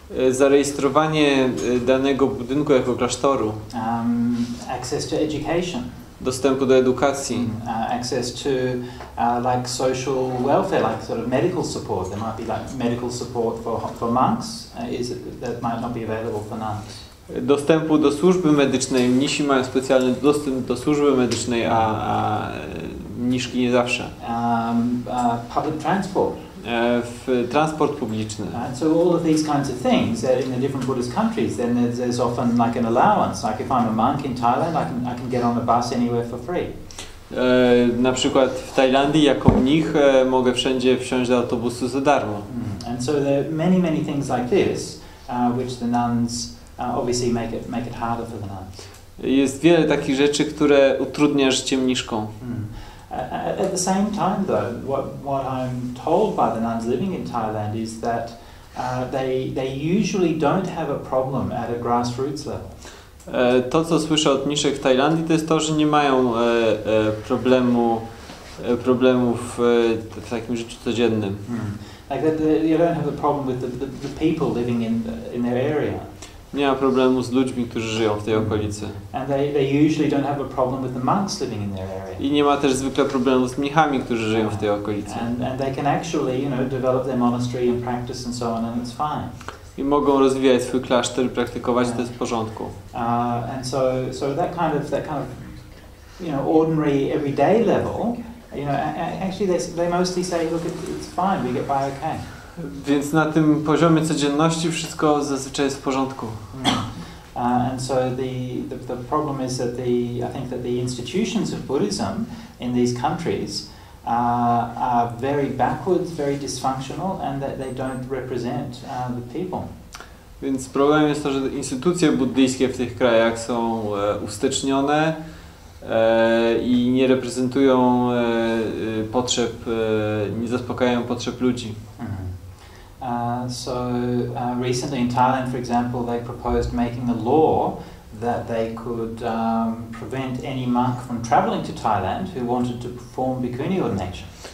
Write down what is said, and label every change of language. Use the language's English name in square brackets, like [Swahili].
[Polish] Zarejestrowanie danego budynku jako klasztoru. [English] Access to education. [Polish] Dostępu do edukacji. [English] Access to like social welfare, like sort of medical support. There might be like medical support for monks. That might not be available for nuns. [Polish] Dostępu do służby medycznej. Mnisi mają specjalny dostęp do służby medycznej, a mniszki nie zawsze. [English] Public transport. [Polish] W transport publiczny. [English] So all of these kinds of things that in the different Buddhist countries, then there's often like an allowance. Like if I'm a monk in Thailand, I can get on a bus anywhere for free. [Polish] Na przykład w Tajlandii jako mnich mogę wszędzie wsiąść do autobusu za darmo. [English] And so there are many, many things like this, which the nuns obviously make it harder for the nuns. [Polish] Jest wiele takich rzeczy, które utrudnia życie mniszkom. [English] At the same time, though, what I'm told by the nuns living in Thailand is that they usually don't have a problem at a grassroots level. [Polish] To co słyszę od mniszek w Tajlandii, to jest to, że nie mają problemów w takim życiu codziennym. [English] Like you don't have a problem with the people living in their area. [Polish] Nie ma problemu z ludźmi, którzy żyją w tej okolicy. [English] And they usually don't have a problem with the monks living in their area. [Polish] I nie ma też zwykle problemu z mnichami, którzy żyją w tej okolicy. [English] And they can actually, you know, develop their monastery and practice and so on, and it's fine. [Polish] I mogą rozwijać swój klasztor i praktykować, to jest w porządku. [English] And so that kind of you know, ordinary everyday level, you know, actually they mostly say, look, it's fine, we get by okay. [Polish] Więc na tym poziomie codzienności wszystko zazwyczaj jest w porządku. [English] And so the problem is that I think that the institutions of Buddhism in these countries are very backwards, very dysfunctional, and that they don't represent the people. [Polish] Więc problem jest to, że instytucje buddyjskie w tych krajach są ustecznione i nie reprezentują potrzeb, nie zaspokajają potrzeb ludzi. [English] So recently in Thailand, for example, they proposed making a law that they could prevent any monk from traveling to Thailand who wanted to perform bhikkhuni ordination.